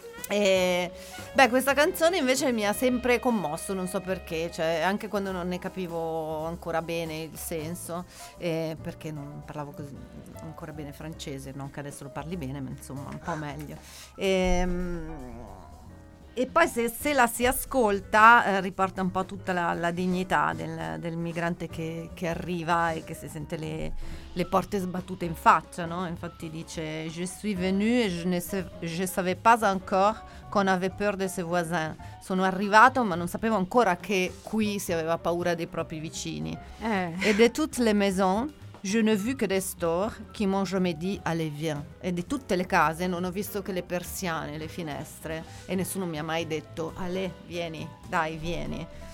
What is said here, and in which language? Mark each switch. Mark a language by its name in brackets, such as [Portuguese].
[Italian] Beh, questa canzone invece mi ha sempre commosso, non so perché, cioè anche quando non ne capivo ancora bene il senso, perché non parlavo così ancora bene francese, non che adesso lo parli bene, ma insomma un po' meglio. E poi se la si ascolta, riporta un po' tutta la dignità del migrante che arriva e che si sente le porte sbattute in faccia, no? Infatti dice: [French] Je suis venu et je savais pas encore qu'on avait peur de ses voisins. [Italian] Sono arrivato, ma non sapevo ancora che qui si aveva paura dei propri vicini. [French] E de toutes les maisons, je n'ai vu que des stores qui m'ont jamais dit allez viens. [Italian] E di tutte le case non ho visto che le persiane, le finestre, e nessuno mi ha mai detto allez, vieni, dai, vieni.